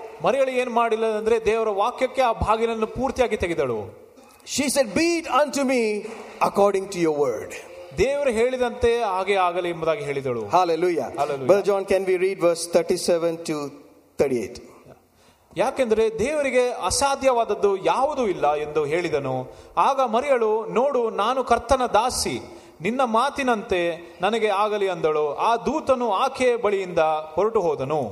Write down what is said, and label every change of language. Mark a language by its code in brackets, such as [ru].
[kn] ಮರಿಯಳು ಏನ್ ಮಾಡಿಲ್ಲ ಅಂದ್ರೆ ದೇವರ ವಾಕ್ಯಕ್ಕೆ ಆ ಭಾಗಿಲನ್ನು ಪೂರ್ತಿಯಾಗಿ ತೆಗೆದಳು. [en] She said, be it unto me according to your word. [kn] ದೇವರು ಹೇಳಿದಂತೆ ಹಾಗೆ ಆಗಲಿ ಎಂಬುದಾಗಿ ಹೇಳಿದಳು. [en] Hallelujah. Brother John, can we read verse 37 to 38? [kn] ಯಾಕೆಂದರೆ ದೇವರಿಗೆ ಅಸಾಧ್ಯವಾದದ್ದು ಯಾವುದೂ ಇಲ್ಲ ಎಂದು ಹೇಳಿದನು ಆಗ ಮರಿಯಳು ನೋಡು ನಾನು ಕರ್ತನ ದಾಸಿ ನಿನ್ನ ಮಾತಿನಂತೆ ನನಗೆ ಆಗಲಿ ಅಂದಳು ಆ ದೂತನು ಆಕೆಯ ಬಳಿಯಿಂದ ಹೊರಟು ಹೋದನು